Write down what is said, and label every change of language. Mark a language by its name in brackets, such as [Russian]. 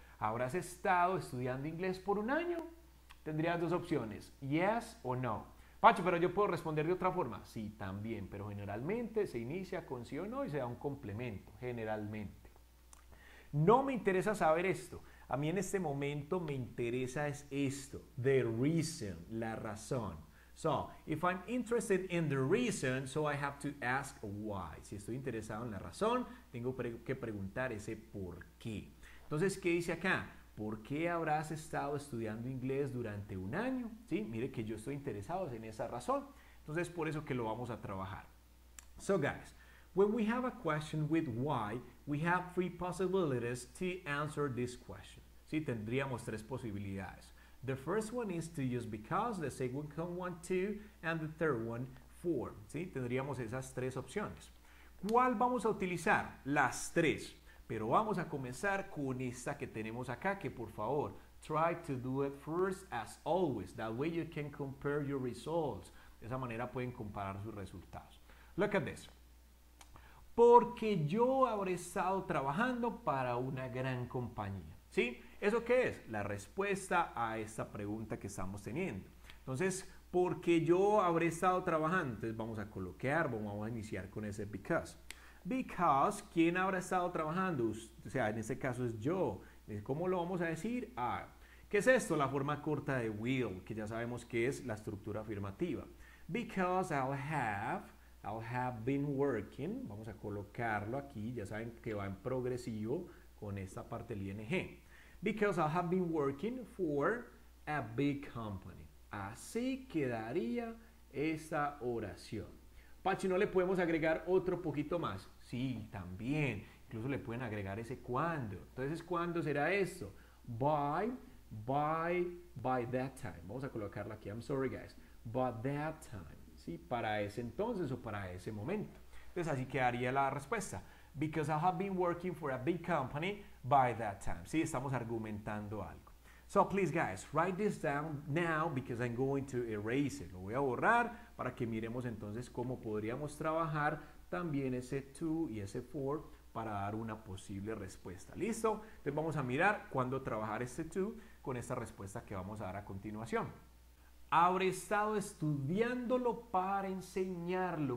[Spanish] ¿Habrás estado estudiando inglés por un año? Tendrías dos opciones, yes o no. Pacho, pero yo puedo responder de otra forma. Sí, también, pero generalmente se inicia con sí o no y se da un complemento, generalmente. No me interesa saber esto. A mí en este momento me interesa es esto, [English] the reason, [Spanish] la razón. [English] So, if I'm interested in the reason, so I have to ask why. [Spanish] Si estoy interesado en la razón, tengo que preguntar ese por qué. Entonces, ¿qué dice acá? ¿Por qué habrás estado estudiando inglés durante un año? ¿Sí? Mire que yo estoy interesado en esa razón. Entonces, por eso que lo vamos a trabajar. [English] So, guys, when we have a question with why, we have three possibilities to answer this question. [Spanish] ¿Sí? Tendríamos tres posibilidades. [English] The first one is to use because, the second one, to, and the third one, for. [Spanish] ¿Sí? Tendríamos esas tres opciones. ¿Cuál vamos a utilizar? Las tres. Pero vamos a comenzar con esta que tenemos acá, que por favor, [English] try to do it first as always. That way you can compare your results. [Spanish] De esa manera pueden comparar sus resultados. [English] Look at this. [Spanish] Porque yo habré estado trabajando para una gran compañía. ¿Sí? ¿Eso qué es? La respuesta a esta pregunta que estamos teniendo. Entonces, porque yo habré estado trabajando. Entonces vamos a colocar, vamos a iniciar con ese because. Because, ¿quién habrá estado trabajando? O sea, en este caso es yo. ¿Cómo lo vamos a decir? Ah, ¿qué es esto? La forma corta de will, que ya sabemos que es la estructura afirmativa. [English] Because I'll have been working. [Spanish] Vamos a colocarlo aquí. Ya saben que va en progresivo con esta parte del ING. [English] Because I'll have been working for a big company. [Spanish] Así quedaría esta oración. Pachi, ¿no le podemos agregar otro poquito más? Sí, también. Incluso le pueden agregar ese cuando. Entonces, ¿cuándo será esto? [English] By that time. [Spanish] Vamos a colocarlo aquí. [English] I'm sorry, guys. By that time. [Spanish] Sí, para ese entonces o para ese momento. Entonces, así quedaría la respuesta. [English] Because I have been working for a big company by that time. [Spanish] Sí, estamos argumentando algo. [English] So, please, guys, write this down now because I'm going to erase it. [Spanish] Lo voy a borrar para que miremos entonces cómo podríamos trabajar también ese to y ese for para dar una posible respuesta. ¿Listo? Entonces vamos a mirar cuándo trabajar este to con esta respuesta que vamos a dar a continuación. Habré estado estudiándolo para enseñarlo.